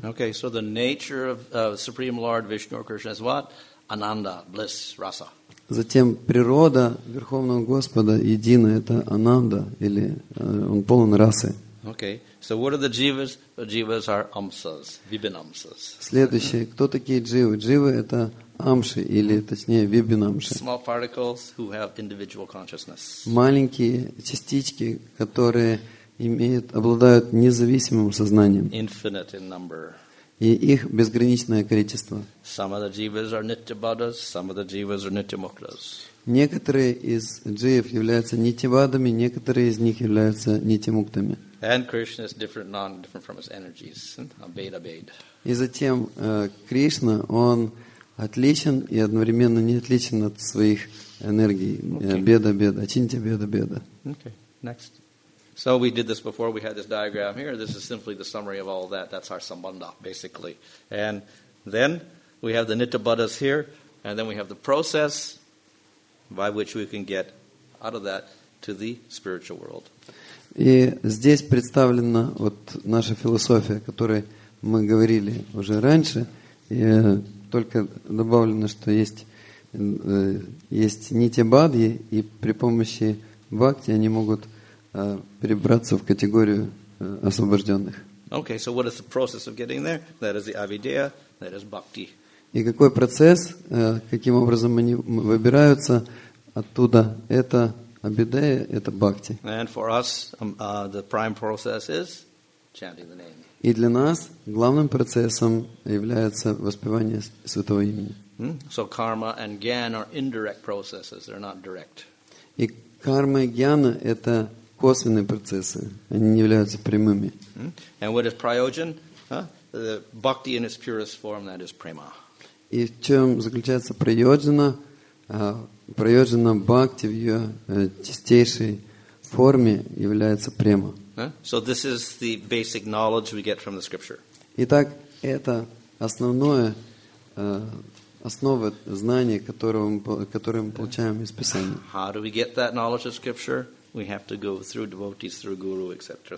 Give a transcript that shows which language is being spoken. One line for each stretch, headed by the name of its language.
English: Okay, so the nature of Supreme Lord Vishnu or Krishna is what? Ананда, bliss, раса.
Russian: Затем природа Верховного Господа едина, это ананда, или он полон расы.
English: Okay. So what are the jivas? The jivas are amsas, vibhinamsas.
Russian: Следующее, кто такие дживы? Дживы это амши или точнее вибинамши.
English: Small particles who have individual consciousness.
Russian: Маленькие частички, которые имеют, обладают независимым сознанием.
English: Infinite in number.
Russian: И их безграничное количество.
English: Some of the jivas are nityabaddhas, some of the jivas are nityamuktas.
Russian: Некоторые из джив являются нитибадами, некоторые из них являются нитимуктами.
English: And Krishna is different, non-different from his energies. Abheda-bheda.
Russian: И затем Кришна, он отличен и одновременно не отличен от своих энергий. Беда-беда. Чинти беда-беда.
English: Okay. Next. So we did this before. We had this diagram here. This is simply the summary of all that. That's our sambandha, basically. And then we have the nitibadas here. And then we have the process by which we can get out of that to the spiritual world.
Russian: И здесь представлена вот наша философия, о которой мы говорили уже раньше. И только добавлено, что есть нитибадьи, и при помощи бхакти они могут перебраться в категорию освобожденных.
English: Okay, so what is the process of getting there? That is the avideya, that is bhakti.
Russian: И какой процесс, каким образом они выбираются оттуда? Это абидея, это бхакти.
English: And for us, the prime process is chanting the name.
Russian: И для нас главным процессом является воспевание святого имени.
English: So karma and gyan are indirect processes; they're not direct.
Russian: И карма и гьяна это косвенные процессы; они не являются прямыми.
English: And what is prayojan? The bhakti in its purest form, that is prema.
Russian: И в чем заключается прайоджана? Прайоджана бхакти в ее чистейшей форме является према.
English: So this is the basic knowledge we get from the scripture.
Russian: Итак, это основное основа знания, которое мы получаем из Писания.
English: How do we get that knowledge of scripture? We have to go through devotees, through guru, etc.